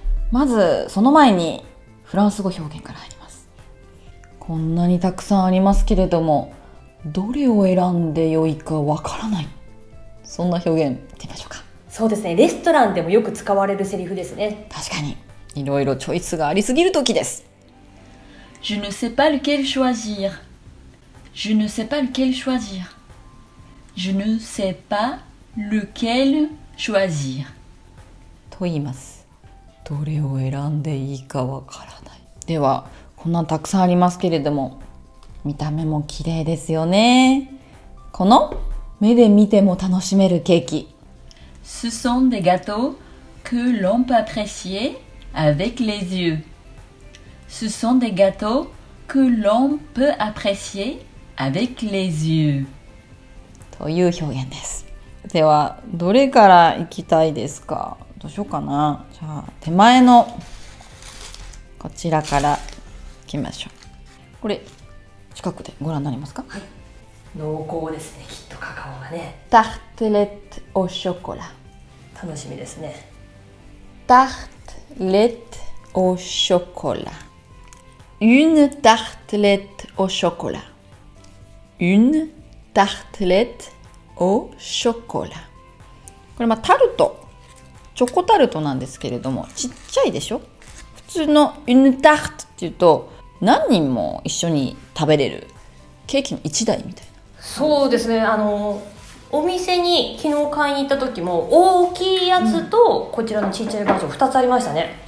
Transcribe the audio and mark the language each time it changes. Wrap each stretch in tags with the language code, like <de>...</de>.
<ja>まずその前にフランス語表現から入ります。こんなにたくさんありますけれども、どれを選んでよいかわからない、そんな表現いってみましょうか。そうですね、レストランでもよく使われるセリフですね。確かに、いろいろチョイスがありすぎる時です。</ja> <fr>Je ne sais pas lequel choisir. Je ne sais pas lequel choisir. Je ne sais pas lequel choisir.</fr> <ja>と言います。どれを選んでいいかわからない。では、こんなたくさんありますけれども、見た目も綺麗ですよね。この目で見ても楽しめるケーキ、</ja> <fr>Ce sont des gâteaux que l'on peut apprécier avec les yeux. Ce sont des gâteaux que l'on peut apprécier avec les yeux.</fr> <ja>という表現です。ではどれから行きたいですか。どうしようかな。じゃあ手前のこちらから行きましょう。これ近くでご覧になりますか。はい、濃厚ですね、きっとカカオがね。タルトレットオショコラ、楽しみですね。</ja> <fr>タルトレットオショコラ、 une tartelette au chocolat、 une tartelette au chocolat。</fr> <ja>これまあタルト、チョコタルトなんですけれども、ちっちゃいでしょ。普通の une tarte っていうと何人も一緒に食べれるケーキの1台みたいな。そうですね、あのお店に昨日買いに行った時も大きいやつとこちらの小さいバージョン2つありましたね。</ja>